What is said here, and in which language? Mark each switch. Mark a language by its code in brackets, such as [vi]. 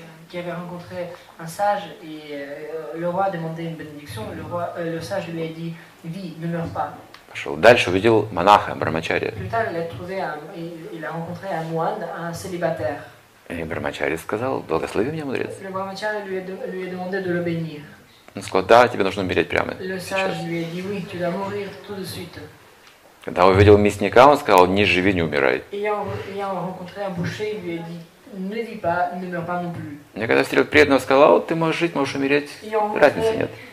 [fr] Qui avait rencontré un sage et le roi demandait une bénédiction. Le sage lui a dit: «Vis, ne meurs pas». [ru] Пошел дальше, увидел монаха брахмачарья. [fr] Plus tard, il a rencontré un moine, un célibataire. Et [ru] брахмачарья сказал: «Благослови меня, мудрец». [fr] Le brahmacharya lui a demandé de le bénir. [ru] Он сказал: «Да, тебе нужно умереть прямо». [fr] Le sage lui a dit: «Oui, tu dois mourir tout de suite». [ru] Когда увидел мясника, он сказал: «Не живи, не умирай». [fr] Ayant rencontré un boucher, il lui a dit: «Ne vis pas, ne meurs pas non plus». [ru] Мне когда встретил преданного, сказал: «Ты можешь жить, можешь умереть, разницы нет».